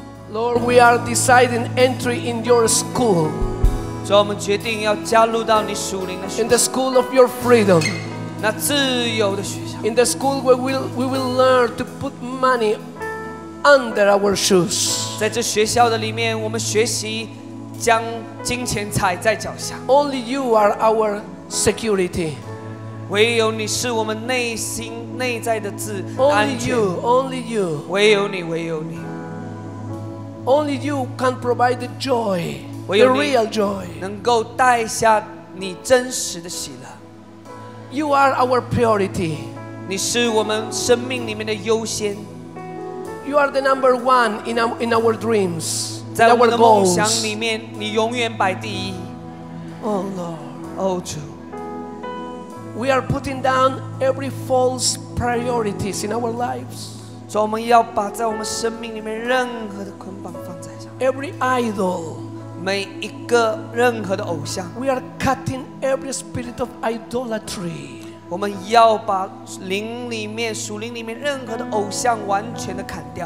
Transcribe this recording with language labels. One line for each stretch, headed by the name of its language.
English: Lord, we are deciding entry in your school.
Chinese: 主，我们决定要加入到你属灵的学校。
English: In the school of your freedom.
Chinese: 那自由的学校。
English: In the school where we will learn to put money under our shoes.
Chinese: 在这学校的里面，我们学习将金钱踩在脚下。
English: Only you are our security.
Chinese: 唯有你是我们内心内在的自安全。
English: Only you, only you.
Chinese: 唯有你，唯有你。
English: Only you can provide the joy, the real joy.
Chinese: 能够带下你真实的喜乐。
English: You are our priority.
Chinese: 你是我们生命里面的优先。
English: You are the number one in our dreams,
Chinese: 在我们的梦想里面，你永远摆第一。
English: Oh Lord,
Chinese: oh 主。
English: We are putting down every false priorities in our lives.
Chinese: 主，我们要把在我们生命里面任何的捆绑放在上。
English: Every idol.
Chinese: 每一个任何的偶像。
English: We are cutting every spirit of idolatry.
Chinese: 我们要把灵里面属灵里面任何的偶像完全的砍掉